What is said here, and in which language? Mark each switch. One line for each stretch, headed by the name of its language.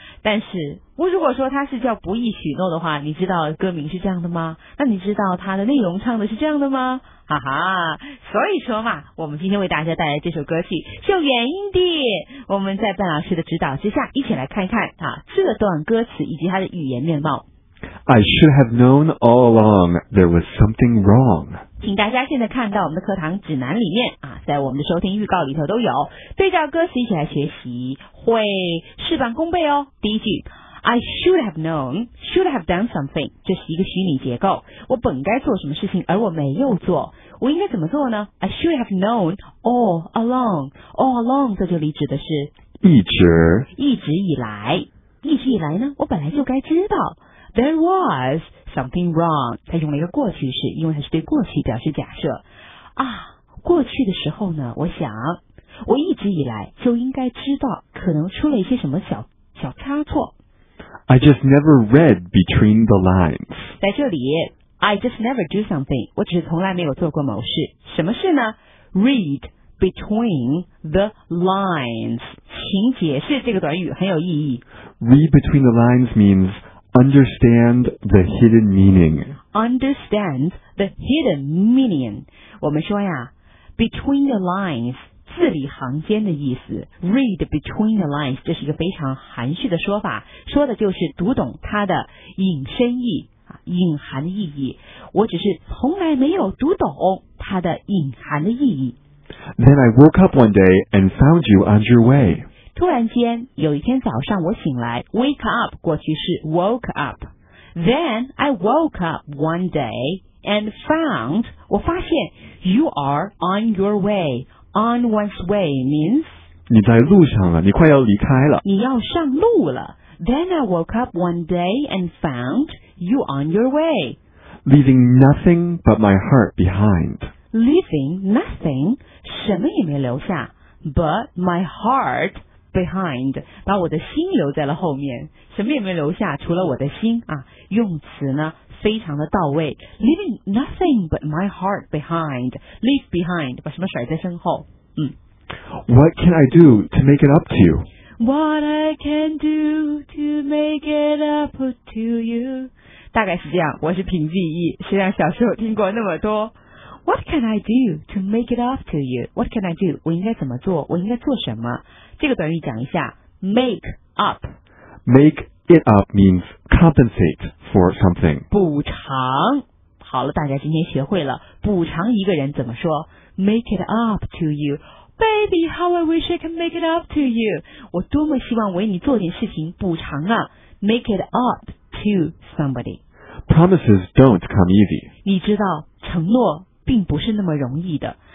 Chinese: 但是我如果说它是叫不易许诺的话，你知道歌名是这样的吗？那你知道它的内容唱的是这样的吗？哈哈，所以说嘛，我们今天为大家带来这首歌曲是有原因的。我们在半老师的指导之下，一起来看一看啊，这段歌词以及它的语言面貌。
English: I should have known all along there was something wrong。
Chinese: 请大家现在看到我们的课堂指南里面啊，在我们的收听预告里头都有对照歌词一起来学习，会事半功倍哦。第一句。
English: I should have known, should have done something.
Chinese: 这是一个虚拟结构。我本该做什么事情，而我没有做。我应该怎么做呢？
English: I should have known all along.
Chinese: All along 在这里指的是一直，一直以来。一直以来呢，我本来就该知道。
English: There was something wrong.
Chinese: 它用了一个过去式，因为它是对过去表示假设。啊，过去的时候呢，我想，我一直以来就应该知道可能出了一些什么小差错。
English: I just never read between the lines.
Chinese: 在这里
English: I just never do something.
Chinese: 我只是从来没有做过某事。什么事呢？
English: Read between the lines.
Chinese: 请解释这个短语很有意义。
English: Read between the lines means understand the hidden meaning. Understand the hidden meaning.
Chinese: 我们说呀
English: between the lines.
Chinese: 字里行间的意思 read between the lines 这是一个非常含蓄的说法，说的就是读懂它的隐身意，隐含意义。我只是从来没有读懂它的隐含的意义。
English: Then I woke up one day and found you on your way.
Chinese: 突然间有一天早上我醒来， wake up 过去式 woke up.
English: Then I woke up one day and found
Chinese: 我发现
English: you are on your wayOn one's way means
Chinese: 你在路上了，你快要离开了，你要上路了。
English: Then I woke up one day and found you on your way, leaving nothing but my heart behind. Leaving nothing
Chinese: 什么也没留下
English: but my heart
Chinese: behind， 把我的心留在了后面，什么也没留下，除了我的心啊。用词呢非常的到位，
English: leaving nothing but my heart behind，
Chinese: leave behind， 把什么甩在身后。
English: What can I do to make it up to you？ What I can do to make it up to you， 大概是这样。
Chinese: 我是平记忆，虽然小时候听过那么多。
English: What can I do to make it up to you？ What can I do？
Chinese: 我应该怎么做？我应该做什么？这个短语讲一下。
English: Make up。 Make it up means compensate for something。
Chinese: 补偿。好了，大家今天学会了补偿一个人怎么说。
English: Make it up to you。 Baby, how I wish I can make it up to you.
Chinese: 我多么希望为你做点事情补偿啊。
English: Make it up to somebody. Promises don't come easy.
Chinese: 你知道承诺并不是那么容易的。